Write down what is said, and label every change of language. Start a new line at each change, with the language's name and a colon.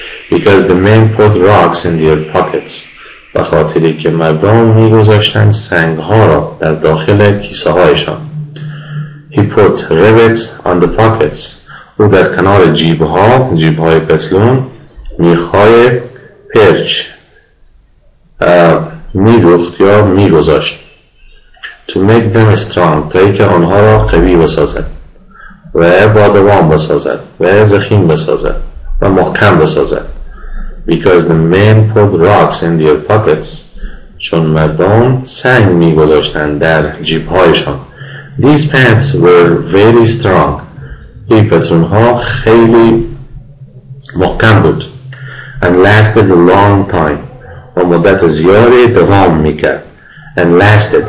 English: Because the men put rocks in their pockets.
Persian: به خاطری که مردم می گذاشتن سنگ ها را در داخل کیسه هایشان.
English: He put rivets on the pockets.
Persian: او در کنار جیب ها، جیب های پتلون، میخ های پرچ می روخت یا می گذاشت.
English: To make them strong.
Persian: تا اینکه آنها را قوی بسازه. و بادوام بسازد و زخیم بسازد و محکم بسازد.
English: Because the men put rocks in their pockets.
Persian: چون مردم سنگ می گذاشتن در جیب هایشان.
English: These pants were very strong.
Persian: این پتلون ها خیلی محکم بود.
English: And lasted a long time.
Persian: و مدت زیادی دوام می کرد.
English: And lasted.